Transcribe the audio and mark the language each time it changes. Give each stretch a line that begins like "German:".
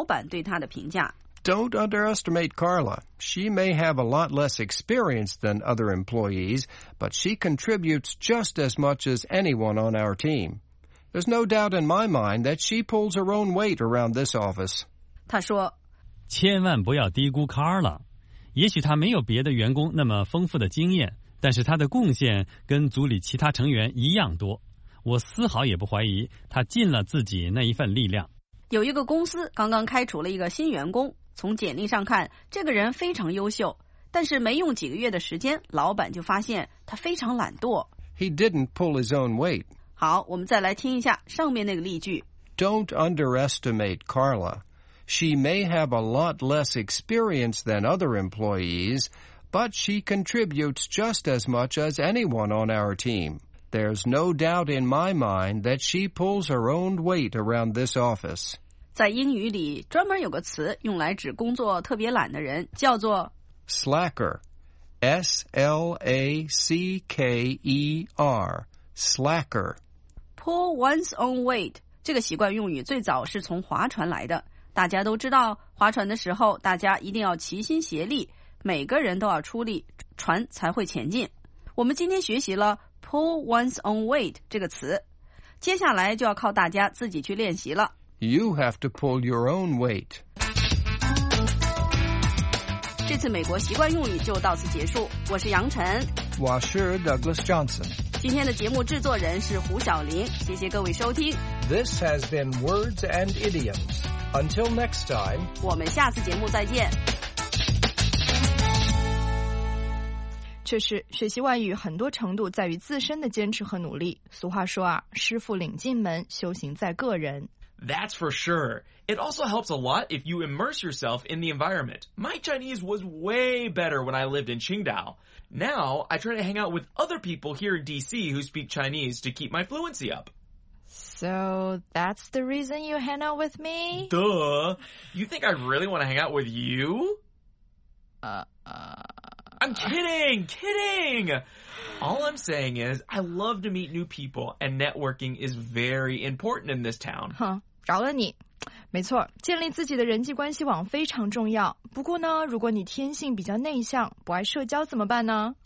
English: Don't underestimate Carla. She may have a lot less experience than other employees, but she contributes just as much as anyone on our team. There's no doubt in my mind that she pulls her own weight around this office.
Chinese: 她说，千万不要低估 Carla。也许她没有别的员工那么丰富的经验，但是她的贡献跟组里其他成员一样多。我丝毫也不怀疑她尽了自己那一份力量。有一个公司刚刚开除了一个新员工，从简历上看，这个人非常优秀，但是没用几个月的时间，老板就发现他非常懒惰。
English: He didn't pull his own weight.
Chinese: 好，我们再来听一下上面那个例句。
English: Don't underestimate Carla. She may have a lot less experience than other employees, but she contributes just as much as anyone on our team. There's no doubt in my mind that she pulls her own weight around this office.
Chinese: 在英语里专门有个词用来指工作特别懒的人，叫做
English: Slacker, S-L-A-C-K-E-R, Slacker. Pull one's own weight.
Chinese: 这个习惯用语最早是从划船来的。大家都知道划船的时候大家一定要齐心协力，每个人都要出力，船才会前进。我们今天学习了
English: Pull one's own weight
Chinese: 这个词，接下来就要靠大家自己去练习了。
English: You have to pull your own weight.
Chinese: 这次美国习惯用语就到此结束。我是杨晨，我是 Douglas Johnson。今天的节目制作人是胡晓林，谢谢各位收听。
English: This has been Words and Idioms. Until next time.
Chinese: 我们下次节目再见。确实，学习外语很多程度在于自身的坚持和努力。俗话说啊，师傅领进门，修行在个人。
English: That's for sure. It also helps a lot if you immerse yourself in the environment. My Chinese was way better when I lived in Qingdao. Now, I try to hang out with other people here in DC who speak Chinese to keep my fluency up. So, that's the reason you hang out with me? Duh. You think I really want to hang out with you? I'm kidding, kidding! All I'm saying is, I love to meet new people, and networking is very important in this town.
Chinese: 哼，饶了你。没错，建立自己的人际关系网非常重要。不过呢，如果你天性比较内向，不爱社交怎么办呢？